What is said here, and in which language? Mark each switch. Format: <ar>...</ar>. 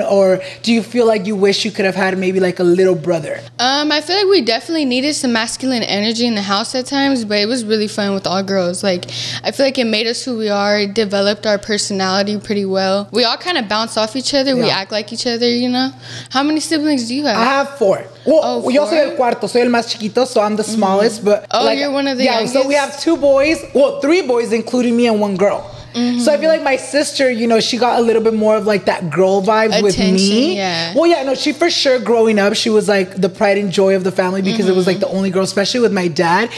<en>Or do you feel like you wish you could have had maybe like a little brother? I feel like we definitely needed some masculine energy in the house at times, but it was really fun with all girls. Like, I feel like it made us who we are. It developed our personality pretty well. We all kind of bounce off each other. Yeah. We act like each other, you know? How many siblings do you have? I have four. Well,</en> <es>yo soy el cuarto, soy el más chiquito,</es> <en>so I'm the smallest, but... Oh, like, you're one of the youngest? Yeah, so we have two boys, well, three boys, including me and one girl. Mm-hmm. So I feel like my sister, you know, she got a little bit more of like that girl vibe. Attention, with me. Yeah. Well, yeah, no, she for sure growing up, she was like the pride and joy of the family because mm-hmm. it was like the only girl, especially with my dad.</en>